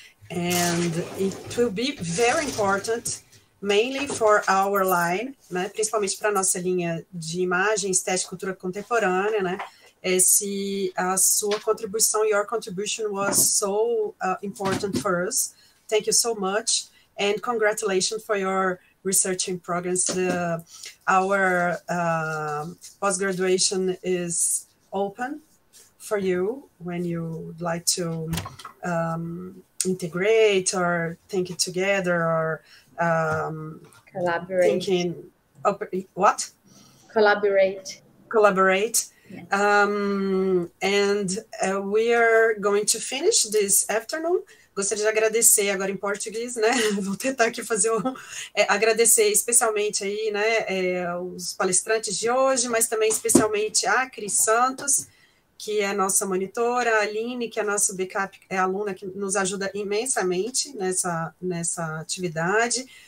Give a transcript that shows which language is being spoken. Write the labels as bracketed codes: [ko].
[en] and it will be very important, mainly for our line, né? [pt] Principalmente para nossa linha de imagem, estética, cultura contemporânea, né? Esse a sua contribuição, [en] your contribution was so important for us. Thank you so much, and congratulations for your research in progress. Our post-graduation is open for you when you would like to integrate or think it together or collaborate. Thinking, what? Collaborate. Collaborate. Yes. And we are going to finish this afternoon. [pt] Gostaria de agradecer agora em português, né? Vou tentar aqui fazer um... agradecer especialmente aí, né, os palestrantes de hoje, mas também especialmente a Cris Santos, que é nossa monitora, a Aline, que é nosso backup, é aluna que nos ajuda imensamente nessa atividade.